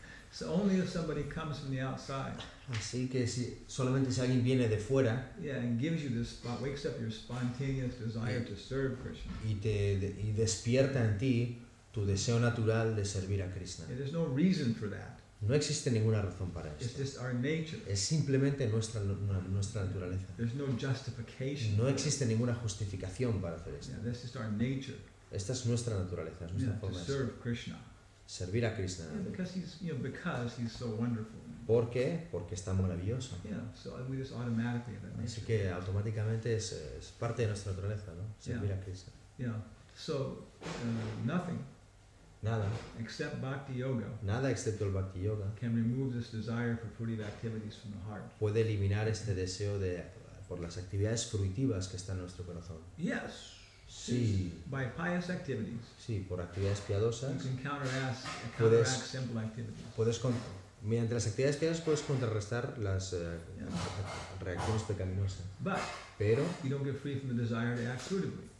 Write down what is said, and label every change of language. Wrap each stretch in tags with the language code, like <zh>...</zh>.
<en>So only if somebody comes from the outside.</en> <es>Así que si solamente si alguien viene de fuera.</es> <en>Yeah, and gives you this spot, wakes up your spontaneous desire to serve Krishna.</en> <es>Y despierta en ti tu deseo natural de servir a Krishna.</es> <en>There's no reason for that.</en> <es>No existe ninguna razón para esto.</es> <en>It's just our nature.</en> <es>Es simplemente nuestra naturaleza.</es> <en>There's no justification.</en> <es>No existe ninguna justificación para hacer esto.</es> <en>Yeah, this is our nature.</en> <es>Esta es nuestra naturaleza, es nuestra forma de ser.</es> <en>To serve Krishna.</en> <es>Servir a Krishna.</es> <en>Yeah, because he's, you know, because he's so wonderful.</en> <es>¿Por qué? Porque es tan maravilloso.</es> <en>Yeah, so we just automatically.</en> <es>Así que automáticamente es parte de nuestra naturaleza, ¿no? Servir</es> <en>yeah.</en> <es>a Krishna.</es> <en>Yeah. So nothing.</en> <es>Nada.</es> <en>Except bhakti yoga.</en> <es>Nada excepto el bhakti yoga.</es> <en>Can remove this desire for fruitive activities from the heart.</en> <es>Puede eliminar este deseo de por las actividades fruitivas que está en nuestro corazón.</es> <en>Yes.</en> <es>Sí.</es> <en>By pious activities.</en> <es>Sí, por actividades piadosas.</es> <en>You can counteract simple activities.</en> <es>Mediante las actividades piadosas puedes contrarrestar las reacciones pecaminosas.</es> <en>But</en> <es>pero</es> <en>you don't get free from the desire to act fruitively.</en>